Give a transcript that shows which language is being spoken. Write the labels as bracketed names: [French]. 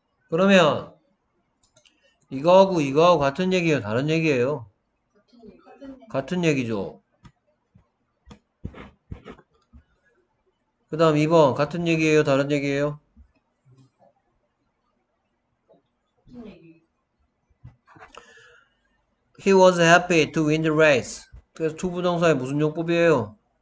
[Korean] 그러면 이거하고 이거하고 같은 얘기예요? 다른 얘기예요? 같은 얘기죠. 그 다음 2번 같은 얘기예요? 다른 얘기예요? 얘기. [English] He was happy to win the race. [Korean] 그래서 to 부정사의 무슨 용법이에요?